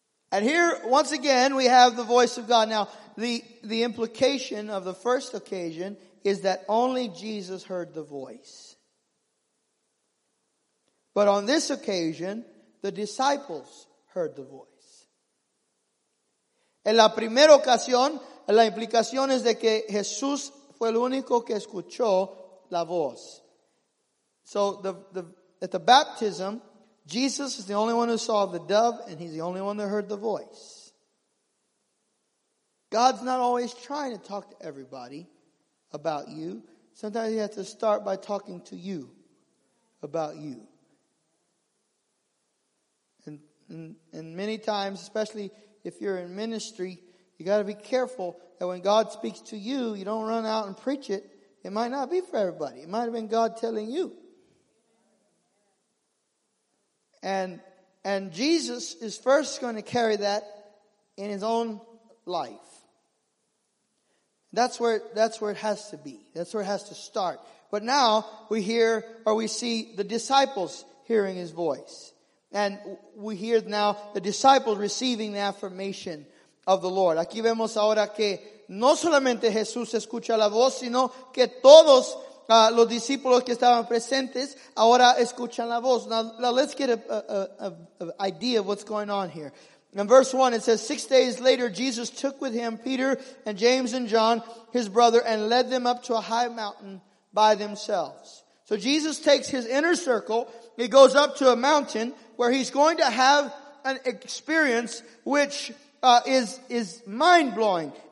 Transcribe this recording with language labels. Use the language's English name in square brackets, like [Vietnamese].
[English] And here, once again, we have the voice of God. Now, the implication of the first occasion is that only Jesus heard the voice. But on this occasion, the disciples heard the voice. [Spanish] En la primera ocasión, la implicación es de que Jesús fue el único que escuchó la voz. [English] So at the baptism, Jesus is the only one who saw the dove, and he's the only one that heard the voice. God's not always trying to talk to everybody about you. Sometimes he has to start by talking to you about you. And many times, especially if you're in ministry, you got to be careful that when God speaks to you, you don't run out and preach it. It might not be for everybody. It might have been God telling you. And Jesus is first going to carry that in his own life. That's where it has to be. That's where it has to start. But now we hear, or we see the disciples hearing his voice. And we hear now the disciples receiving the affirmation of the Lord. [Spanish] Aquí vemos ahora que no solamente Jesús escucha la voz, sino que todos los discípulos que estaban presentes ahora escuchan la voz. [English] Now let's get an idea of what's going on here. In verse 1 it says, 6 days later Jesus took with him Peter and James and John, his brother, and led them up to a high mountain by themselves. So Jesus takes his inner circle, he goes up to a mountain where he's going to have an experience which is mind-blowing.